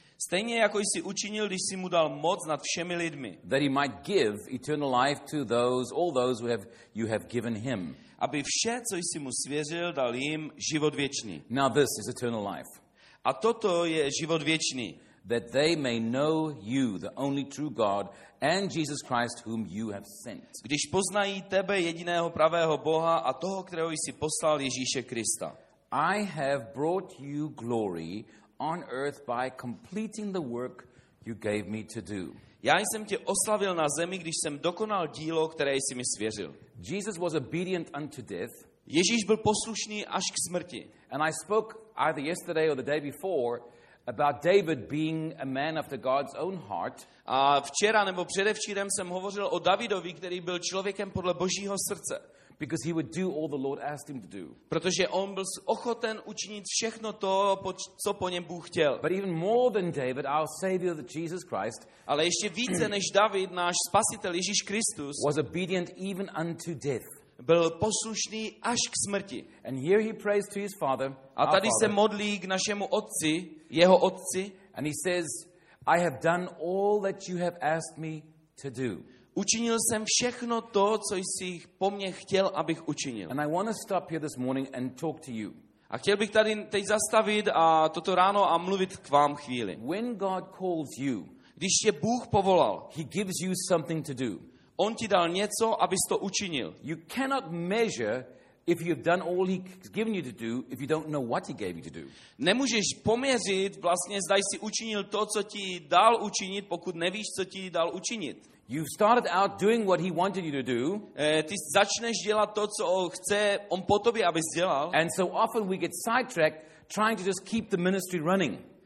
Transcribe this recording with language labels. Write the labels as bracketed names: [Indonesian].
[Czech] Stejně jako jsi učinil, když jsi mu dal moc nad všemi lidmi. [English] That he might give eternal life to those, all those who have you have given him. [Czech] Aby vše, co jsi mu svěřil, dal jim život věčný. [English] Now this is eternal life. [Czech] A toto je život věčný. [English] That they may know you, the only true God, and Jesus Christ, whom you have sent. [Czech] Když poznají tebe jediného pravého Boha a toho, kterého jsi poslal, Ježíše Krista. [English] I have brought you glory on earth by completing the work you gave me to do. [Czech] Já jsem tě oslavil na zemi, když jsem dokonal dílo, které jsi mi svěřil. [English] Jesus was obedient unto death. [Czech] Ježíš byl poslušný až k smrti. [English] And I spoke either yesterday or the day before about David being a man after God's own heart. [Czech] A včera nebo předevčírem jsem hovořil o Davidovi, který byl člověkem podle Božího srdce. [English] Because he would do all the Lord asked him to do. [Czech] Protože on byl ochoten učinit všechno to, co po něm Bůh chtěl. [English] But even more than David, our Savior, Jesus Christ, [Czech] ale ještě více než David, náš spasitel Ježíš Kristus, [English] was obedient even unto death. [Czech] Byl poslušný až k smrti. [English] And here he prays to his father, [Czech] a tady se modlí k našemu otci, jeho otci, [English] and he says, I have done all that you have asked me to do. [Czech] Učinil jsem všechno to, co jsi po mně chtěl, abych učinil. [English] And I want to stop here this morning and talk to you. [Czech] A chtěl bych tady teď zastavit a toto ráno a mluvit k vám chvíli. [English] When God calls you, [Czech] když tě Bůh povolal, [English] he gives you something to do. [Czech] On ti dal něco, abys to učinil. [English] You cannot measure if you've done all he's given you to do if you don't know what he gave you to do. [Czech] Nemůžeš poměřit, vlastně zda jsi učinil to, co ti dal učinit, pokud nevíš, co ti dal učinit. [English] You've started out doing what he wanted you to do. [Czech] Ty začneš dělat to, co chce on po tobě, abys dělal. [English] And so often we get sidetracked trying to just keep the ministry running.